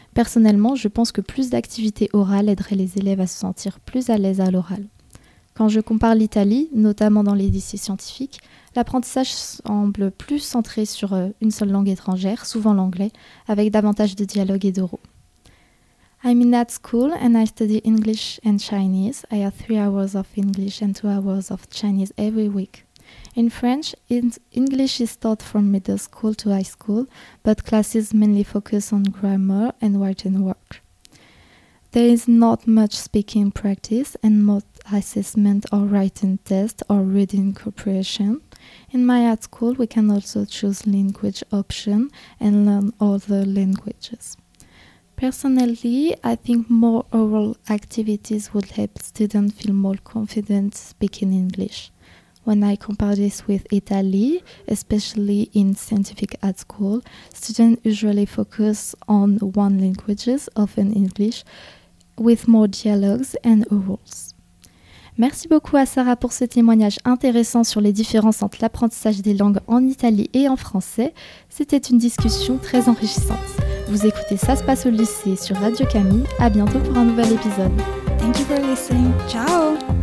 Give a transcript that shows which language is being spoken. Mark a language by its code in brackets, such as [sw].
[fr] Personnellement, je pense que plus d'activités orales aideraient les élèves à se sentir plus à l'aise à l'oral. Quand je compare l'Italie, notamment dans les lycées scientifiques, l'apprentissage semble plus centré sur une seule langue étrangère, souvent l'anglais, avec davantage de dialogues et d'oraux. [en] I'm in that school and I study English and Chinese. I have 3 hours of English and 2 hours of Chinese every week. In French, English is taught from middle school to high school, but classes mainly focus on grammar and writing work. There is not much speaking practice and most assessment or writing test or reading comprehension. In my art school, we can also choose language option and learn other languages. Personally, I think more oral activities would help students feel more confident speaking English. When I compare this with Italy, especially in scientific art school, students usually focus on one language, often English, with more dialogues and orals. [fr] Merci beaucoup à Sarah pour ce témoignage intéressant sur les différences entre l'apprentissage des langues en Italie et en français. C'était une discussion très enrichissante. Vous écoutez Ça se passe au lycée sur Radio Camille. À bientôt pour un nouvel épisode. [en] Thank you for listening. Ciao.